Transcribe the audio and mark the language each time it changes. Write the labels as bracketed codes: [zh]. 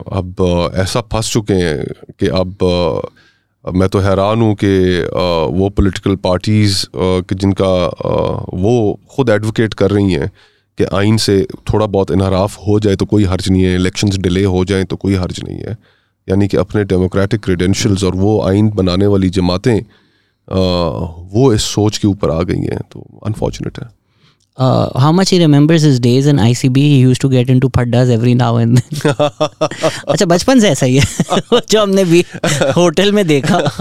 [ur] اب ایسا پھنس چکے ہیں کہ اب میں تو حیران ہوں کہ وہ پولیٹیکل پارٹیز جن کا وہ خود ایڈوکیٹ کر رہی ہیں کہ آئین سے تھوڑا بہت انحراف ہو جائے تو کوئی حرج نہیں ہے, الیکشنز ڈیلے ہو جائیں تو کوئی حرج نہیں ہے, یعنی کہ اپنے ڈیموکریٹک کریڈینشلز اور وہ آئین بنانے والی جماعتیں وہ اس سوچ کے اوپر آ گئی ہیں, تو انفارچونیٹ ہے. [en] How much he remembers his days in ICB, he used to get into phaddas every now and then. [ur] اچھا بچپن سے ایسا ہی ہے جو ہم نے بھی ہوٹل میں دیکھا.